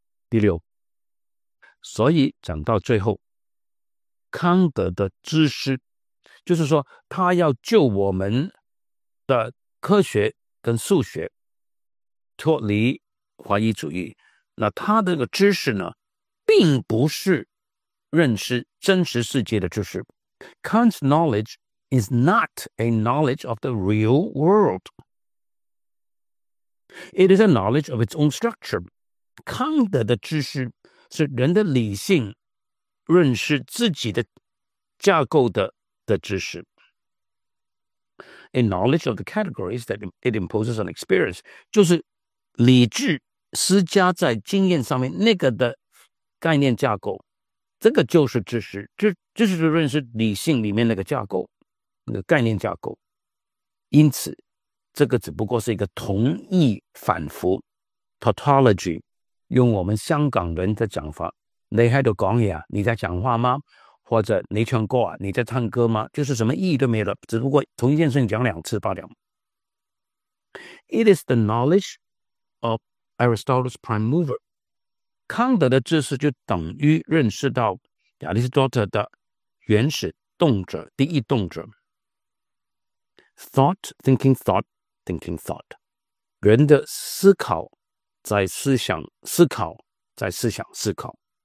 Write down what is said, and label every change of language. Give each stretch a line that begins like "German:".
Chinese: 第六，所以讲到最后，康德的知识就是说他要救我们的科学跟数学脱离怀疑主义，那他的这个知识呢，并不是认识真实世界的知识。
English: Kant's knowledge is not a knowledge of the real world. It is a knowledge of its own structure.
Chinese: 康德的知识是人的理性认识自己的架构 的知识。
English: A knowledge of the categories that it imposes on experience,
Chinese: 就是理智施加在经验上面那个的概念架构，这个就是知识。知识就认识理性里面那个架构，那个概念架构。因此这个只不过是一个同义反复 tautology， 用我们香港人的讲法，你在讲呀，你在讲话吗？或者你唱歌啊，你在唱歌吗？就是什么意义都没了，只不过同一件事情讲两次罢了。
English: It is the knowledge of Aristotle's prime mover.
Chinese: 康德的知识就等于认识到亚里士多德的原始动者，第一动者。
English: Thought, thinking thought, thinking thought.
Chinese: 人的思考在思想，思考在思想，思考。